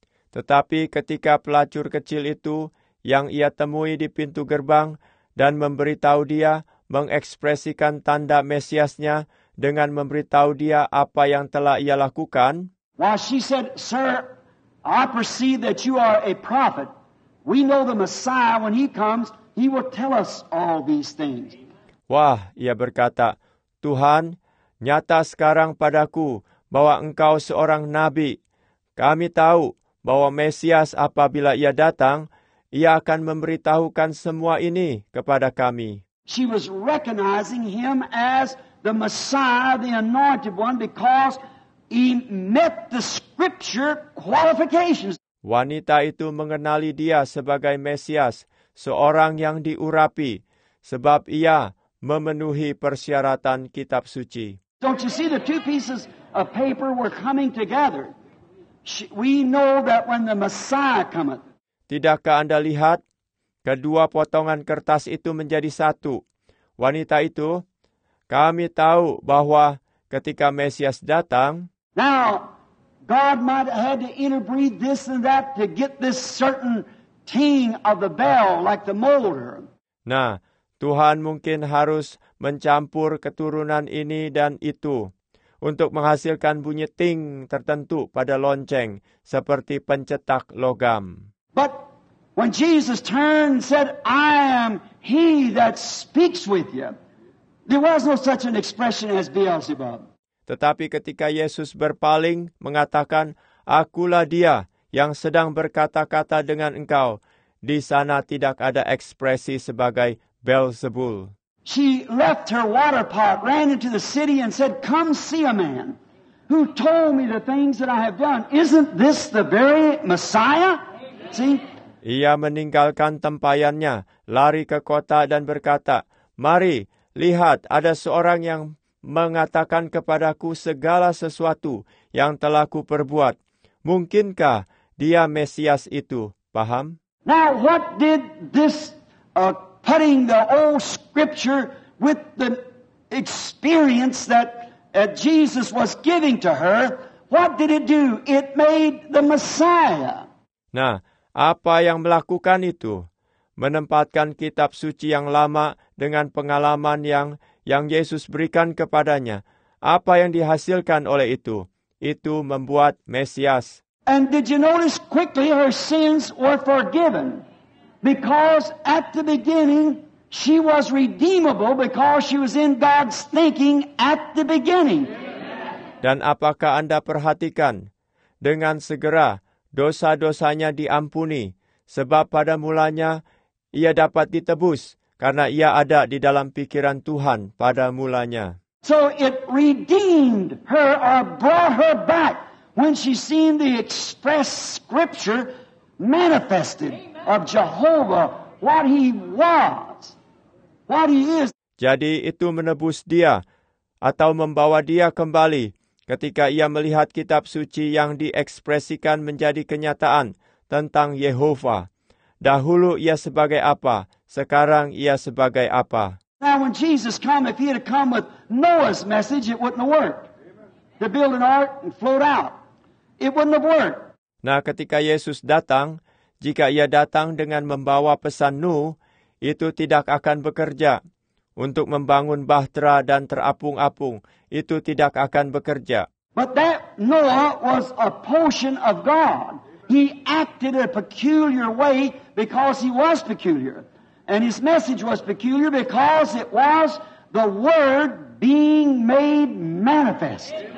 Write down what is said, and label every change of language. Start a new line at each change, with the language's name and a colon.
Indonesian: Tetapi ketika pelacur kecil itu yang ia temui di pintu gerbang dan memberitahu dia mengekspresikan tanda Mesiasnya dengan memberitahu dia apa yang telah ia lakukan.
English: Well, she said, sir, I perceive that you are a prophet. We know the Messiah, when he comes, he will tell us all these things.
Indonesian: Wah, ia berkata, Tuhan, nyata sekarang padaku bahwa engkau seorang nabi. Kami tahu bahwa Mesias apabila ia datang, ia akan memberitahukan semua ini kepada kami.
English: She was recognizing him as the Messiah, the anointed one, because he met the scripture qualifications.
Indonesian: Wanita itu mengenali dia sebagai Mesias, seorang yang diurapi, sebab ia memenuhi persyaratan kitab suci.
English: Don't you see the two pieces of paper were coming together? We know that when the Messiah cometh.
Indonesian: Tidakkah Anda lihat kedua potongan kertas itu menjadi satu? Wanita itu, kami tahu bahwa ketika Mesias datang.
English: Now, God might have had to interbreed this and that to get this certain ting of the bell like the molar.
Indonesian: Nah, Tuhan mungkin harus mencampur keturunan ini dan itu untuk menghasilkan bunyi ting tertentu pada lonceng seperti pencetak logam.
English: But when Jesus turned and said, I am he that speaks with you, there was no such an expression as Beelzebub.
Indonesian: Tetapi ketika Yesus berpaling mengatakan, akulah dia yang sedang berkata-kata dengan engkau, di sana tidak ada ekspresi sebagai Beelzebul.
English: She left her water pot, ran into the city and said, come see a man who told me the things that I have done. Isn't this the very Messiah? See?
Indonesian: Ia meninggalkan tempayannya, lari ke kota dan berkata, mari, lihat, ada seorang yang mengatakan kepadaku segala sesuatu yang telah kuperbuat. Mungkinkah dia Mesias itu? Paham?
English: Now, what did this putting the old scripture with the experience that Jesus was giving to her, what did it do? It made the Messiah.
Indonesian: Nah, apa yang melakukan itu? Menempatkan kitab suci yang lama dengan pengalaman yang Yesus berikan kepadanya. Apa yang dihasilkan oleh itu? Itu membuat Mesias.
English: And did you notice quickly her sins were forgiven? Because at the beginning, she was redeemable because she was in God's thinking at the beginning.
Indonesian: Dan apakah Anda perhatikan? Dengan segera, dosa-dosanya diampuni. Sebab pada mulanya, ia dapat ditebus. Karena ia ada di dalam pikiran Tuhan pada mulanya.
English: So it redeemed her or brought her back when she seen the express scripture manifested of Jehovah, what he was, what he is.
Indonesian: Jadi itu menebus dia atau membawa dia kembali ketika ia melihat kitab suci yang diekspresikan menjadi kenyataan tentang Yehovah. Dahulu ia sebagai apa, sekarang ia sebagai apa.
English: Now when Jesus come, if he had come with Noah's message, it wouldn't have worked. To build an ark and float out. It wouldn't have worked.
Indonesian: Nah, ketika Yesus datang, jika ia datang dengan membawa pesan Nuh, itu tidak akan bekerja. Untuk membangun bahtera dan terapung-apung, itu tidak akan bekerja.
English: But that Noah was a portion of God. He acted a peculiar way because he was peculiar. And his message was peculiar because it was the word being made manifest.